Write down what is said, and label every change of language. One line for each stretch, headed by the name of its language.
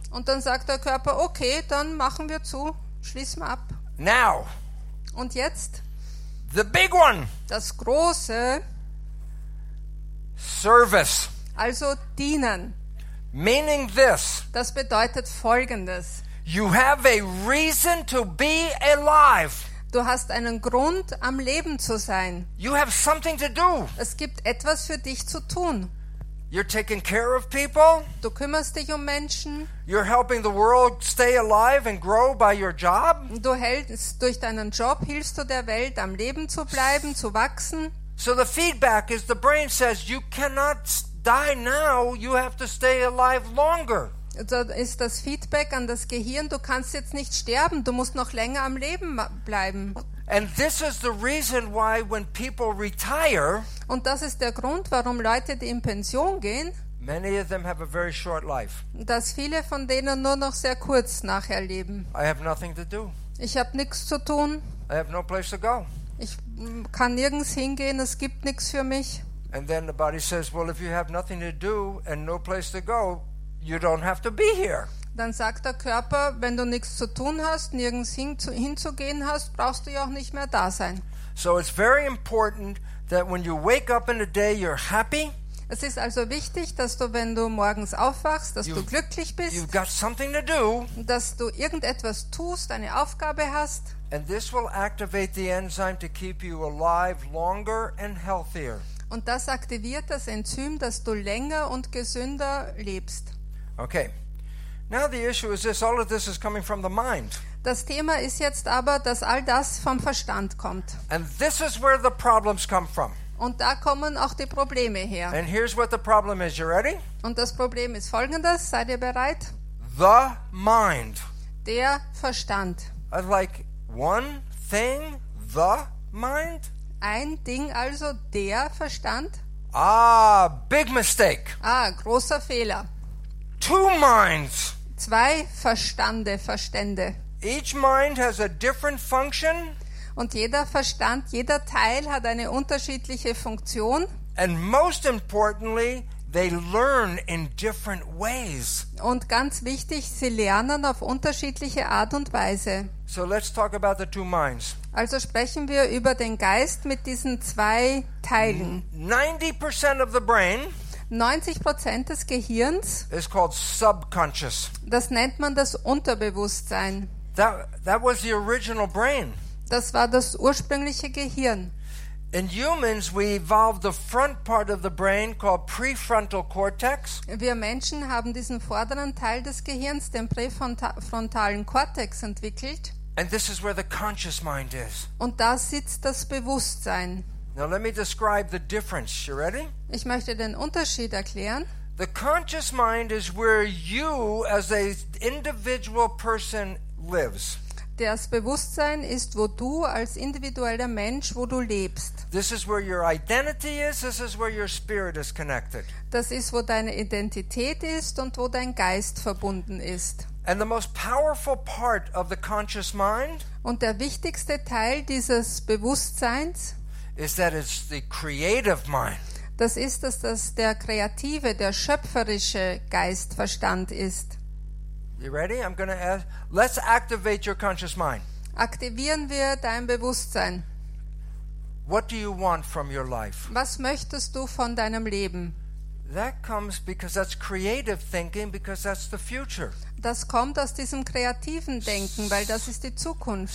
German: Und dann sagt der Körper, okay, dann machen wir zu, schließen wir ab.
English: Now,
German: und jetzt,
English: the big one,
German: das große,
English: service.
German: Also dienen.
English: Meaning this.
German: Das bedeutet folgendes.
English: You have a reason to be alive.
German: Du hast einen Grund, am Leben zu sein.
English: You have something to do.
German: Es gibt etwas für dich zu tun.
English: You're taking care of people.
German: Du kümmerst dich um Menschen.
English: You're helping the world stay alive and grow by your job.
German: Du hältst, durch deinen Job hilfst du der Welt, am Leben zu bleiben, zu wachsen.
English: So the feedback is the brain says you cannot die now, you have to stay alive longer.
German: Da ist das Feedback an das Gehirn, du kannst jetzt nicht sterben, du musst noch länger am Leben bleiben.
English: And this is the reason why when people retire,
German: und das ist der Grund, warum Leute, die in Pension gehen,
English: many of them have a very short life.
German: Dass viele von denen nur noch sehr kurz nachher leben.
English: I have nothing to do.
German: Ich habe nichts zu tun.
English: I have no place to go.
German: Ich kann nirgends hingehen, es gibt nichts für mich.
English: And then the body says, well, if you have nothing to do and no place to go, you don't have to be here.
German: Dann sagt der Körper, wenn du nichts zu tun hast, nirgends hinzugehen hast, brauchst du ja auch nicht mehr da sein.
English: So it's very important that when you wake up in the day, you're happy.
German: Es ist also wichtig, dass du, wenn du morgens aufwachst, dass du glücklich bist.
English: You've got something to do.
German: Dass du irgendetwas tust, eine Aufgabe hast.
English: And this will activate the enzyme to keep you alive longer and healthier.
German: Und das aktiviert das Enzym, dass du länger und gesünder lebst.
English: Okay. Now the issue is this, all of this is coming from the mind.
German: Das Thema ist jetzt aber, dass all das vom Verstand kommt.
English: And this is where the problems come from.
German: Und da kommen auch die Probleme her.
English: And here's what the problem is. You ready?
German: Und das Problem ist folgendes, seid ihr bereit?
English: the mind.
German: Der Verstand.
English: Like one thing, the mind.
German: Ein Ding also, der Verstand.
English: Ah, big mistake.
German: Ah, großer Fehler.
English: Two minds.
German: Zwei Verstände, Verstände.
English: Each mind has a different function.
German: Und jeder Verstand, jeder Teil hat eine unterschiedliche Funktion.
English: And most importantly, they learn in different ways.
German: Und ganz wichtig, sie lernen auf unterschiedliche Art und Weise.
English: So let's talk about the two minds.
German: Also sprechen wir über den Geist mit diesen zwei Teilen.
English: 90% of the brain,
German: 90% des Gehirns,
English: is called subconscious.
German: Das nennt man das Unterbewusstsein.
English: That was the original brain.
German: Das war das ursprüngliche Gehirn.
English: In humans we evolved the front part of the brain called prefrontal cortex.
German: Wir Menschen haben diesen vorderen Teil des Gehirns, den präfrontalen Kortex, entwickelt.
English: And this is where the conscious mind is.
German: Und da sitzt das Bewusstsein.
English: Now let me describe the difference. You ready?
German: Ich möchte den Unterschied erklären.
English: The conscious mind is where you as a individual person lives.
German: Das Bewusstsein ist, wo du als individueller Mensch, wo du lebst.
English: This is where your identity is, this is where your spirit is connected.
German: Das ist, wo deine Identität ist und wo dein Geist verbunden ist.
English: And the most powerful part of the conscious mind,
German: und der wichtigste Teil dieses Bewusstseins,
English: is that it's the creative mind.
German: Das ist, dass das der kreative, der schöpferische Geistverstand ist.
English: You ready? I'm going to ask. Let's activate your conscious mind.
German: Aktivieren wir dein Bewusstsein.
English: What do you want from your life?
German: Was möchtest du von deinem Leben?
English: That comes because that's creative thinking, because that's the future.
German: Das kommt aus diesem kreativen Denken, weil das ist die Zukunft.